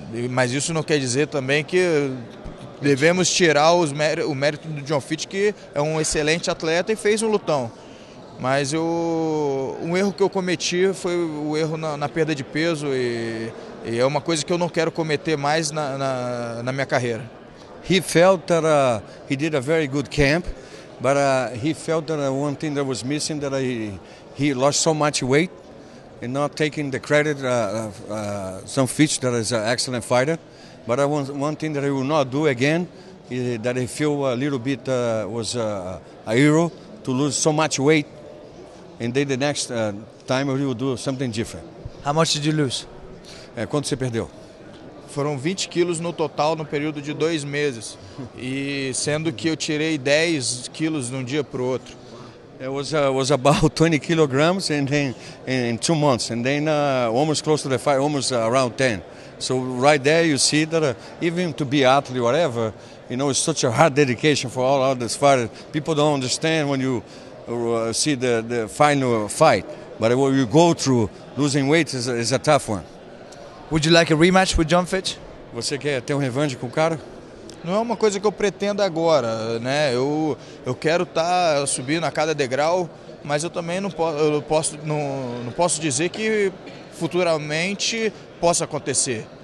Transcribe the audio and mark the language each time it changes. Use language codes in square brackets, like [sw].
[pt] Mas isso não quer dizer também que devemos tirar o mérito do John Fitch, que é um excelente atleta e fez um lutão. Mas um erro que eu cometi foi o erro na perda de peso, e é uma coisa que eu não quero cometer mais na minha carreira. [en] He felt that he did a very good camp. But he felt that one thing that was missing, that he lost so much weight, and not taking the credit of some Fitch, that is an excellent fighter. But one thing that he will not do again, that he feel a little bit was a hero to lose so much weight, and then the next time he will do something different. How much did you lose? [pt] Quanto você perdeu? Foram 20 quilos no total no período de 2 meses. E sendo que eu tirei 10 quilos de um dia para o outro. [en] It was about 20 kilograms in 2 months, and then almost close to the fight, almost around 10. So right there you see that even to be athlete, whatever, you know, it's such a hard dedication for all others fighters. People don't understand when you see the final fight, but what you go through losing weight is a tough one. Would you like a rematch with John Fitch? [pt] Você quer ter um revanche com o cara? Não é uma coisa que eu pretendo agora, né? Eu quero estar subindo a cada degrau, mas eu também não posso dizer que futuramente possa acontecer.